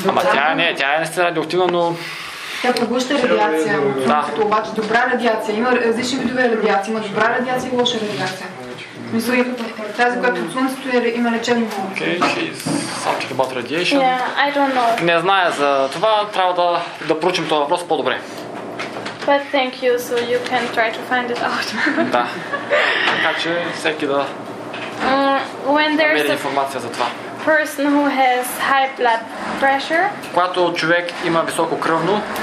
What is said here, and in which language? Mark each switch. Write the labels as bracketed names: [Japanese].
[Bulgarian] Ама тя не е радиоактивна, но. Тя поглъща радиация, да. Като обаче добра радиация. Има различни видове радиация. Има добра радиация и лоша радиация. Мисля, тази, която от слънцето е, има лечебно мога. [English] Okay, she's something about radiation. Yeah, I don't know. [Bulgarian] Не зная за това, трябва да проучим този въпрос по-добре. [English] But thank you, so you can try to find it out. [Bulgarian] Да. Така че всеки да намери информация за това. [English] Person who has high blood pressure. [Bulgarian] Когато човек има високо кръвно.